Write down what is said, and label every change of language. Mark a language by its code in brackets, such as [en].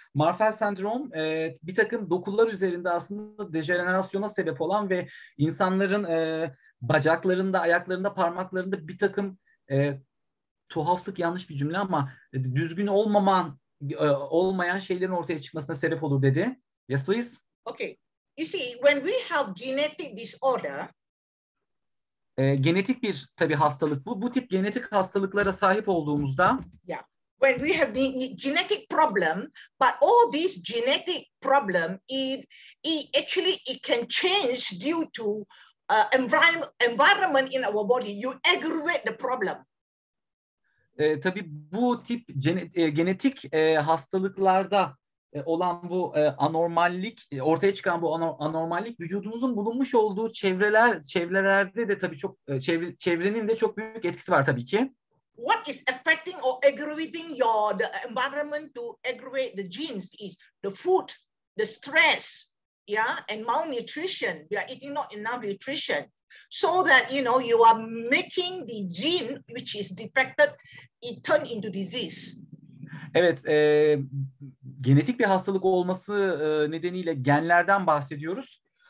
[tr] Marfan sendrom bir takım dokular üzerinde aslında dejenerasyona sebep olan ve insanların bacaklarında, ayaklarında, parmaklarında bir takım tuhaflık, yanlış bir cümle ama düzgün olmayan şeylerin ortaya çıkmasına sebep olur dedi. [en] Yes, please. Okay, you see, when we have genetic disorder, [tr] genetik bir tabii hastalık bu. Bu tip genetik hastalıklara sahip olduğumuzda, [en] yeah, when we have the genetic problem, but all these genetic problem it can change due to environment in our body. You aggravate the problem. [tr] Tabii bu tip genetik hastalıklarda olan bu anormallik, ortaya çıkan bu anormallik vücudumuzun bulunmuş olduğu çevrelerde de tabii çok çevrenin de çok büyük etkisi var tabii ki. [en] What is affecting or aggravating the environment to aggravate the genes is the food, the stress, yeah, and malnutrition. We are eating not enough nutrition. So that you are making the gene which is defected it turn into disease. [tr] Evet, genetik bir hastalık olması nedeniyle genlerden bahsediyoruz.